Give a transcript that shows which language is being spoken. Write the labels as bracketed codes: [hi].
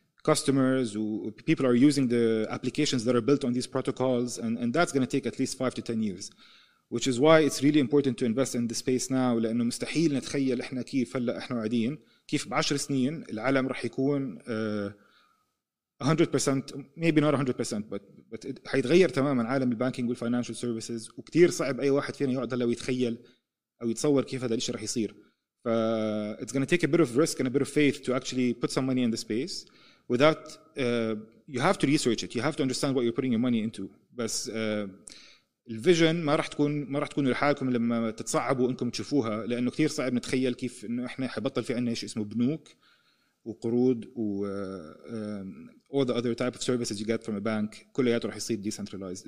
[ar] customers و [en] people are using the applications that are built on these protocols, and that's going to take at least 5 to 10 years, which is why it's really important to invest in the space now, [ar] لانه مستحيل نتخيل احنا كيف هلا احنا قاعدين كيف بعشر سنين العالم راح يكون 100%, [en] maybe not 100%, but [ar] حيتغير تماما عالم البانكينج والفاينانشال سيرفيسز, وكثير صعب اي واحد فينا يقعد هلا ويتخيل او يتصور كيف هذا الشيء راح يصير. [en] ف it's going to take a bit of risk and a bit of faith to actually put some money in the space without you have to research it, you have to understand what you're putting your money into. [ar] بس الفيجن ما راح تكون لحالكم لما تتصعبوا انكم تشوفوها, لانه كثير صعب نتخيل كيف انه احنا حيبطل في عندنا شيء اسمه بنوك وقروض و [en] all the other type of services you get from a bank, [ar] كل ياتو رح يصير decentralized.